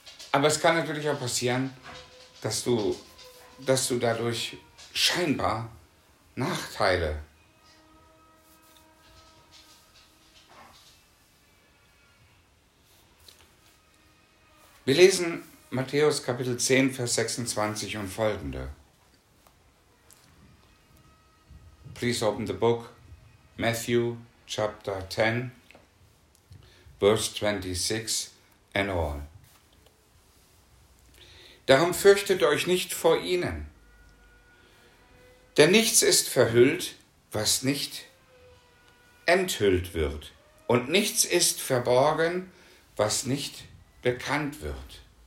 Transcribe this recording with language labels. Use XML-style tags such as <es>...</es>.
<de>Aber es kann natürlich auch passieren, dass du dadurch scheinbar Nachteile Wir lesen Matthäus Kapitel 10, Vers 26 und folgende.</de> <en>Please open the book, Matthew Chapter 10, Verse 26 and all.</en> <de>Darum fürchtet euch nicht vor ihnen, denn nichts ist verhüllt, was nicht enthüllt wird, und nichts ist verborgen, was nicht bekannt wird.</de>